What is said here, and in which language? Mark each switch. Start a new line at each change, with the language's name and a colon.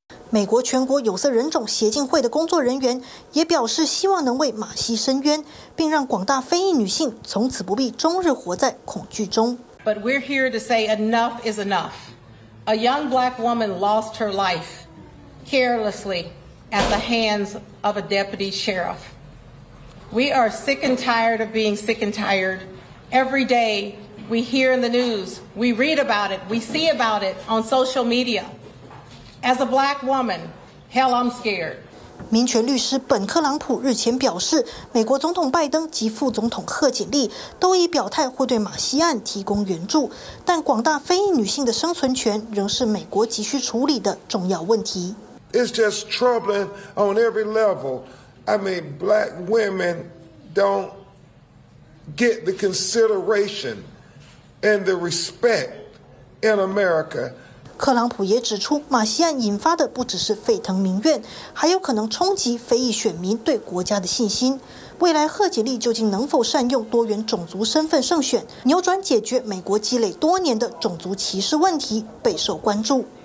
Chinese: 美国全国有色人种协进会的工作人员也表示希望能为马西伸冤，并让广大非裔女性从此不必终日活在恐惧中。
English: But we're here to say enough is enough. A young black woman lost her life carelessly at the hands of a deputy sheriff. We are sick and tired of being sick and tired every day. We hear in the news, we read about it, we see about it on social media. As a black woman, hell, I'm scared.
Chinese: 民权律师本·克朗普日前表示，美国总统拜登及副总统贺锦丽都已表态会对马西案提供援助，但广大非裔女性的生存权仍是美国急需处理的重要问题。
English: It's just troubling on every level. I mean, black women don't get the consideration and the respect in America.
Chinese: 克朗普也指出，马西案引发的不只是沸腾民怨，还有可能冲击非裔选民对国家的信心。未来贺锦丽究竟能否善用多元种族身份胜选，扭转解决美国积累多年的种族歧视问题，备受关注。